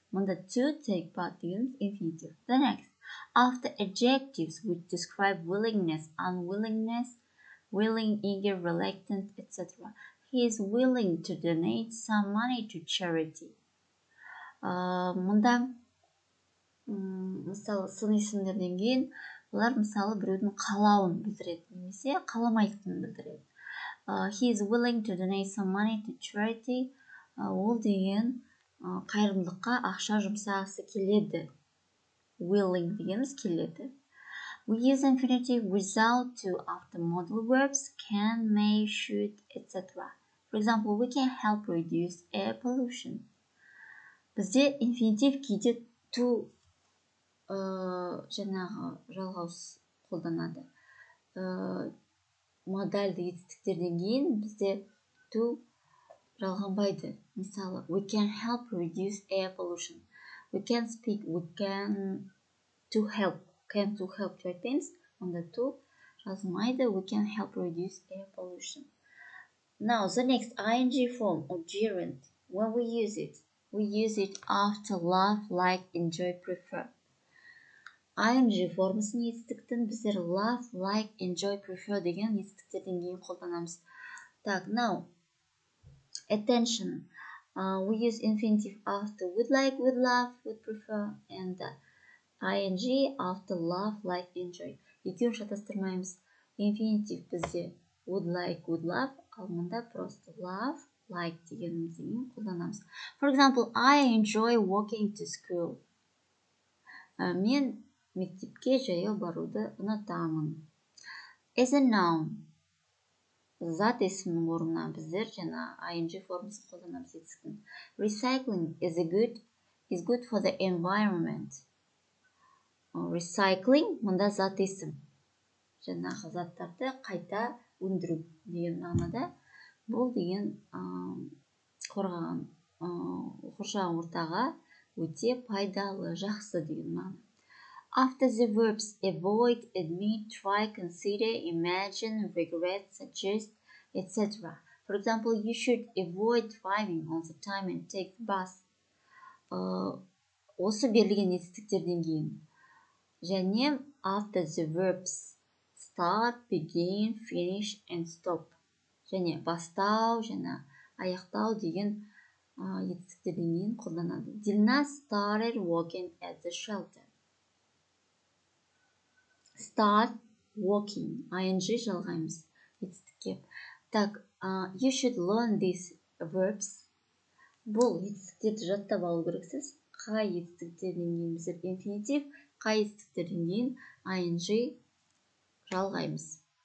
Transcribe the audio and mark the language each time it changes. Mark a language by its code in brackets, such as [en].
[kk] Мұнда [en] to take part [kk] дейміз [en] infinitive. The next, after adjectives which describe willingness, unwillingness, willing, eager, reluctant, etc. He is willing to donate some money to charity. [kk] Мұнда, мысалы, сын есімдерден кейін, олар мысалы біреудің қалауын білдіреді, немесе қаламайтын білдіреді. [en] He is willing to donate some money to charity. [kk] Ол деген қайырымдылыққа ақша жұмсағысы келеді. Willing дегеніміз келеді. [en] We use infinitive without to after modal verbs, can, may, should, etc. For example, we can help reduce air pollution. [kk] Бізде infinitive кейде to жаңағы жалғаус қолданады. Модальды етістіктерден кейін бізде to жалғанбайды. Мысалы, [en] we can help reduce air pollution. We can speak, we can to help. Can to help to things. On the to [kk] жазмайды, [en] we can help reduce air pollution. Now, the next ing form of gerund. When we use it? We use it after love, like, enjoy, prefer. [kk] ING формасын естіктің біздер love, like, enjoy, prefer деген естіктерден кейін қолданамыз. [en] Так, now, attention. We use infinitive after would like, would love, would prefer, and ING after love, like, enjoy. [kk] Екеуін шатастырмаймыз. Infinitive бізде [en] would like, would love, [kk] ал мында просто love, like дегенімізден қолданамыз. [en] For example, I enjoy walking to school. [kk] Мен мектепке жаяу баруды ұнатамын. [en] As a noun. [kk] Зат есімінің орнына біздер жаңа ing формасын қолданамыз. [en] Recycling is a good is good for the environment. [kk] Recycling, мында зат есім. Жаңағы заттарды қайта өндіру деген мағынада. Бұл деген қорғаған қоршаған ортаға өте пайдалы, жақсы деген мағына. [en] After the verbs avoid, admit, try, consider, imagine, regret, suggest, etc. For example, you should avoid driving on the time and take the bus. [kk] Осы берілген етістіктерден кейін. Және [en] after the verbs start, begin, finish and stop. [kk] Және бастау, және аяқтау деген етістіктерден кейін қолданады. [en] Dilna started walking at the shelter. Start walking. [kk] ING жалғаймыз. Етістікке. [en] Так, you should learn these verbs. [kk] Бұл етістіктерді жаттап алу керексіз. Қай етістіктерден кейін біздер инфинитив, қай етістіктерден кейін ING жалғаймыз.